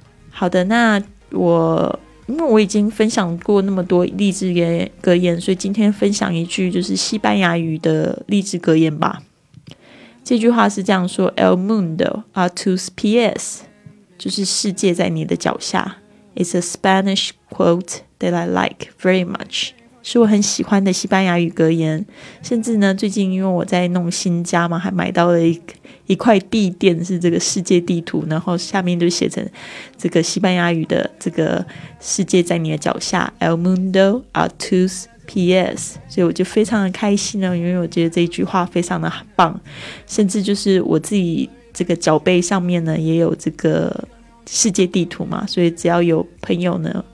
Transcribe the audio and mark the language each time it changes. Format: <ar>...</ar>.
<zh>好的，那我因为我已经分享过那么多励志格言，所以今天分享一句就是西班牙语的励志格言吧。这句话是这样说，</zh> <es>El mundo a tus pies,</es> <zh>就是世界在你的脚下。</zh> <en>It's a Spanish quote that I like very much,</en> <zh>是我很喜欢的西班牙语格言。甚至呢最近因为我在弄新家嘛，还买到了一块地垫，是这个世界地图，然后下面就写成这个西班牙语的这个世界在你的脚下，</zh> <es>El mundo a tus pies,</es> <zh>所以我就非常的开心了，因为我觉得这句话非常的棒，甚至就是我自己这个脚背上面呢也有这个世界地图嘛，所以只要有朋友呢</zh>